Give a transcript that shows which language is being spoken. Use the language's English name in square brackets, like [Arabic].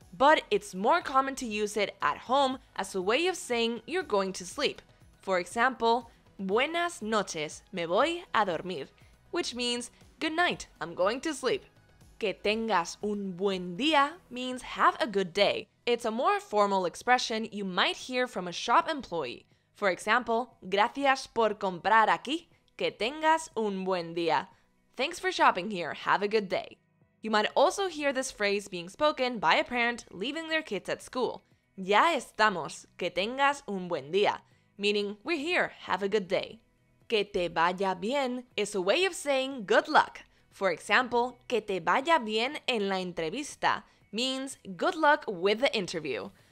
[English] But it's more common to use it at home as a way of saying you're going to sleep. For example, [Spanish] buenas noches, me voy a dormir, [English] which means good night, I'm going to sleep. [Spanish] Que tengas un buen día [English] means have a good day. It's a more formal expression you might hear from a shop employee. For example, [Spanish] gracias por comprar aquí, que tengas un buen día. [English] Thanks for shopping here, have a good day. You might also hear this phrase being spoken by a parent leaving their kids at school. [Spanish] Ya estamos, que tengas un buen día, [English] meaning we're here, have a good day. [Spanish] Que te vaya bien [English] is a way of saying good luck. For example, [Spanish] que te vaya bien en la entrevista [English] means good luck with the interview.